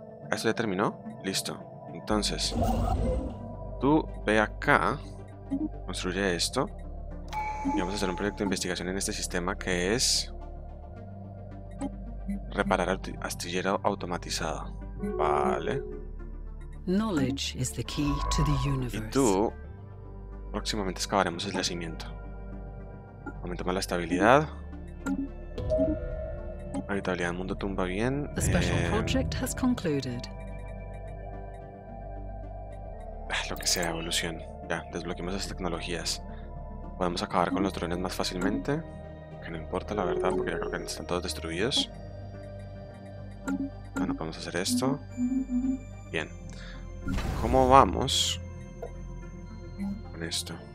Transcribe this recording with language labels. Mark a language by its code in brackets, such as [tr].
[es] ¿Esto ya terminó? Listo. Entonces, tú ve acá, construye esto y vamos a hacer un proyecto de investigación en este sistema que es reparar astillero automatizado. Vale. [en] Knowledge is the key to the universe. [es] Y tú, próximamente excavaremos el yacimiento. Aumentamos la estabilidad. Habitabilidad del mundo tumba bien. [en] The special project has concluded. [es] Lo que sea, evolución. Ya, desbloqueamos las tecnologías. Podemos acabar con los drones más fácilmente. Que no importa, la verdad, porque ya creo que están todos destruidos. Bueno, podemos hacer esto. Bien. ¿Cómo vamos con esto?